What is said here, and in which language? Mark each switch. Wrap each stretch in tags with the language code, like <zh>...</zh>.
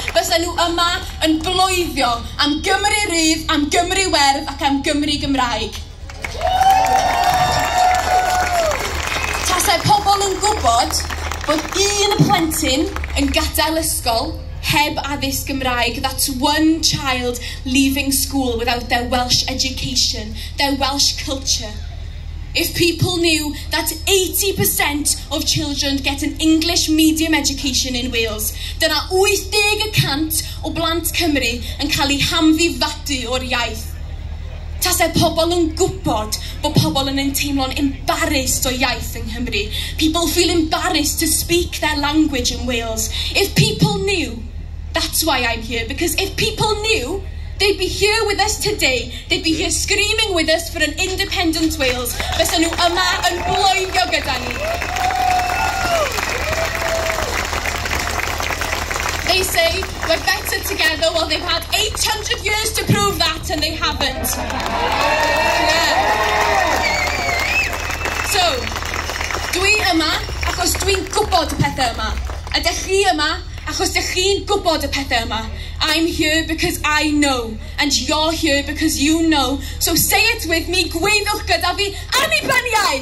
<cy>Bysau nhw yma yn bloeddio am Gymru Rydd, am Gymru Werdd ac am Gymru Gymraeg. Tasau pobl yn gwybod bod un plentyn yn gadael ysgol heb addysg Gymraeg.</cy> <en>That's one child leaving school without their Welsh education, their Welsh culture. If people knew that 80% of children get an English medium education in Wales,</en> <cy>dyna 80% o blant Cymru yn cael eu hamddifadu o'r iaith. Tasau pobl yn gwybod bod pobl yn teimlo'n embarrassed o iaith yng Nghymru.</cy> <en>People feel embarrassed to speak their language in Wales. If people knew, that's why I'm here. Because if people knew, they'd be here with us today. They'd be here screaming with us for an independent Wales.</en> <cy>Bysyn nhw yma yn bloeddio gyda ni.</cy> <en>They say we're better together. Well, they've had 800 years to prove that and they haven't. Yeah.</en> <cy>So, dwi yma achos dwi'n gwybod y pethau yma. Ydych chi yma achos ydych chi'n gwybod y pethau yma.</cy> <en>I'm here because I know and you're here because you know. So say it with me,</en> <cy>gweddwch gyda fi, Annibyniaeth!</cy>